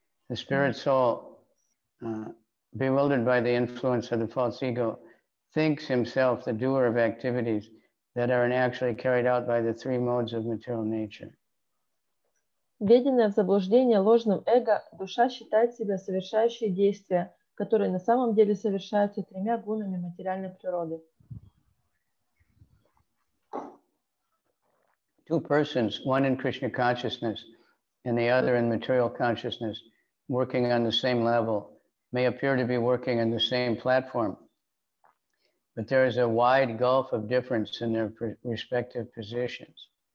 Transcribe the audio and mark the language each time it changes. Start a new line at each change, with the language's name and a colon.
English: The spirit soul, bewildered by the influence of the false ego, thinks himself the doer of activities that are actually carried out by the three modes of material nature.
Russian: Введенная в заблуждение ложным эго, душа считает себя совершающей действия, которые на самом деле совершаются тремя гунами материальной природы.
English: Two persons, one in Krishna consciousness and the other in material consciousness, working on the same level, may appear to be working on the same platform, but there is a wide gulf of difference in their respective positions.